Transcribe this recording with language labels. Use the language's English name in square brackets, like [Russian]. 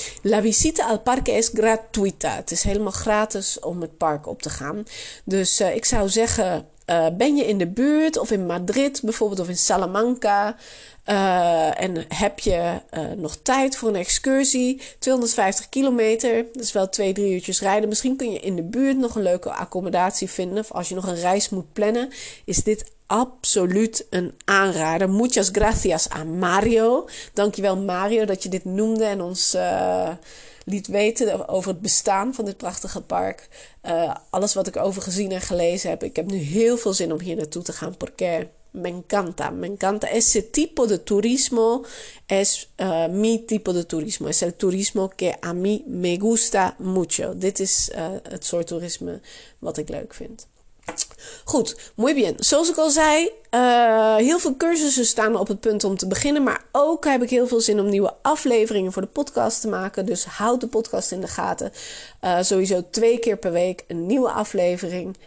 [Spanish] La visita al parque es gratuita. [Dutch] Het is helemaal gratis om het park op te gaan. Dus ik zou zeggen, ben je in de buurt of in Madrid bijvoorbeeld of in Salamanca? En heb je nog tijd voor een excursie? 250 kilometer, dat is wel 2, 3 uurtjes rijden. Misschien kun je in de buurt nog een leuke accommodatie vinden. Of als je nog een reis moet plannen, is dit absoluut een aanrader. [Spanish] Muchas gracias a Mario. [Dutch] Dankjewel Mario dat je dit noemde en ons liet weten over het bestaan van dit prachtige park. Alles wat ik over gezien en gelezen heb. Ik heb nu heel veel zin om hier naartoe te gaan. [Spanish] Porque me encanta. Ese tipo de turismo es mi tipo de turismo. Es el turismo que a mí me gusta mucho. [Dutch] Dit is het soort toerisme wat ik leuk vind. Goed, [Spanish] muy bien. [Dutch] Zoals ik al zei, heel veel cursussen staan op het punt om te beginnen. Maar ook heb ik heel veel zin om nieuwe afleveringen voor de podcast te maken. Dus houd de podcast in de gaten. Sowieso 2 keer per week een nieuwe aflevering.